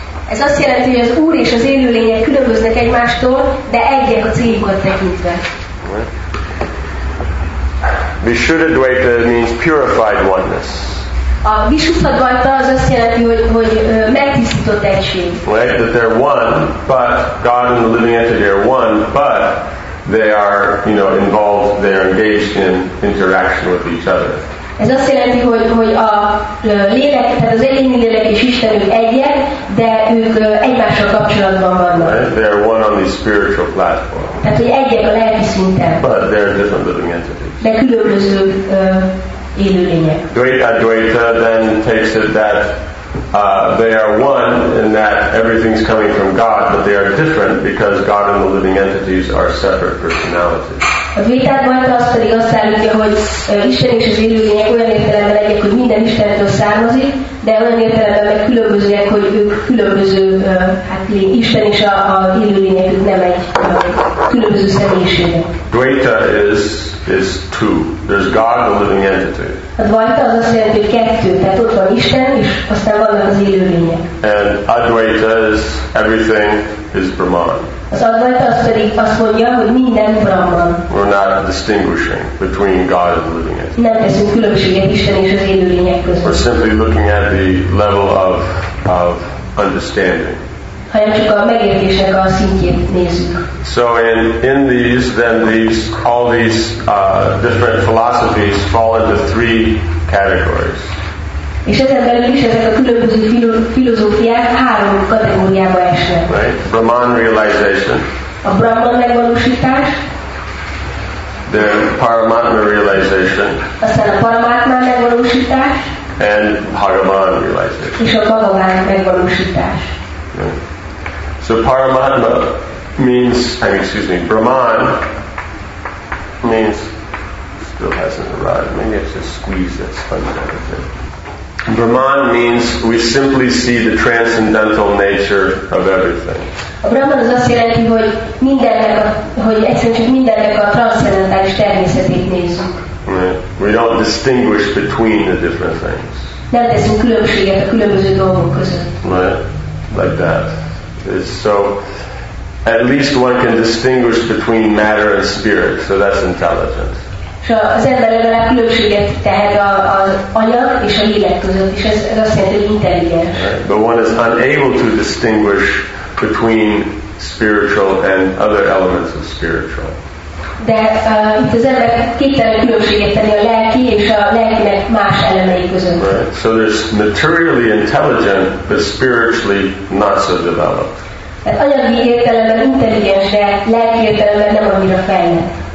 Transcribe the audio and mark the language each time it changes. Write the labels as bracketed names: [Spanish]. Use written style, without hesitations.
[Hungarian] Ez azt jelenti, hogy az Úr és az élőlények különböznek egymástól, de egyek a céljukat tekintve. [English] Vishuddha Dvaita means purified oneness. [Hungarian] A Vishuddha Dvaita az azt jelenti, hogy megtisztított egység. [English] Right, that they're one, but God and the living entity are one, but they are, you know, involved, they are engaged in interaction with each other. [Hungarian] Ez azt jelenti, hogy a lélek, tehát az élő lélek és Isten egyek, de ők egymással kapcsolatban vannak. [English] Right, they are one on the spiritual platform. [Hungarian] Tehát, hogy egyek a lelki szinten. [English] But they are different living entities. [Hungarian] De különböző élőlények. [English] Dvaita then takes it that they are one in that everything's coming from God, but they are different because God and the living entities are separate personalities. [Hungarian] A Dvaita Dvaita azt pedig azt állítja, hogy Isten és az élőlények olyan értelemben egyek, hogy minden Istentől származik, de olyan értelemben meg különbözőek, hogy ők különböző, Isten és a élőlények nem egy különböző személyiségek. [English] Dvaita is two. There's God, the living entity. [Hungarian] A Dvaita az azt jelenti, hogy kettő. Tehát ott van Isten, és aztán vannak az élőlények. [English] And Advaita is everything is Brahman. [Hungarian] Az Advaita az pedig azt mondja, hogy minden Brahman. [English] We're not distinguishing between God and the living entity. [Hungarian] Nem teszünk különbséget Isten és az élőlények között. [English] We're simply looking at the level of understanding. [Hungarian] hanem csak a megértésnek a szintjét nézzük. [English] So in these, then these, all these different philosophies fall into three categories. [Hungarian] És ezen belül is ezek a különböző filozófiák három kategóriába esnek. [English] Right? Brahman realization. [Hungarian] A Brahman megvalósítás. [English] The Paramatma realization. [Hungarian] Aztán a Paramatma megvalósítás. [English] And Bhagavan realization. [Hungarian] És a Bhagavan megvalósítás. [English] Right. So Paramatma means, Brahman means, still hasn't arrived, maybe it's a squeeze that's funny out of it. Brahman means we simply see the transcendental nature of everything. [Hungarian] A Brahman az azt jelenti, hogy mindennek, hogy egyszerűen csak mindennek a transzcendentális természetét nézzük. [English] We don't distinguish between the different things. [Hungarian] Nem teszünk különbséget a különböző dolgok között. [English] Like that. It's so at least one can distinguish between matter and spirit. So that's intelligence. [Hungarian] So az ember legalább különbséget tehet az anyag és a lélek között, és ez azt jelenti, hogy intelligens. [English] But one is unable to distinguish between spiritual and other elements of spiritual. [Hungarian] De itt az ember képtelen különbséget tenni a lelki és a lelkinek más elemei között. [English] Right. So there's materially intelligent, but spiritually not so developed. [Hungarian] Tehát anyagi értelemben intelligens, de lelki értelemben nem annyira fejlett.